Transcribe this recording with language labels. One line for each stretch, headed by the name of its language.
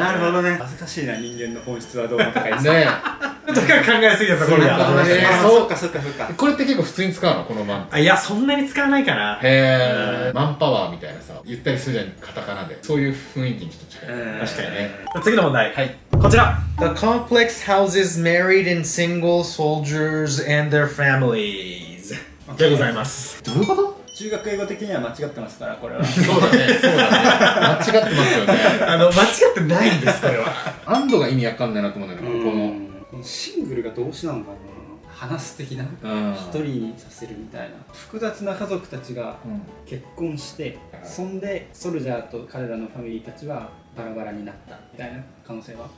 Japanese: なるほどね。恥ずかしいな、人間の本質はどうかとか言って。ねとか考えすぎたところだと思います。そうか、そうか、そうか。これって結構普通に使うの、この漫画。いや、そんなに使わないかな。へぇ、マンパワーみたいなさ、言ったりするじゃん、カタカナで。そういう雰囲気にちょっと近い。確かにね。次の問題、はい、こちら。
English: The complex houses married and single soldiers and their families
Japanese: でございます。どういうこと？中学英語的には間違ってますから、これは。そうだね、そうだね。間違ってますよね。あの、間違ってないんです、これは。安堵が意味わかんないなと思うんだけど、このシングルが動詞なんだろう。話す的な、一人にさせるみたいな。複雑な家族たちが結婚して、うん、そんでソルジャーと彼らのファミリーたちはバラバラになったみたいな可能性は。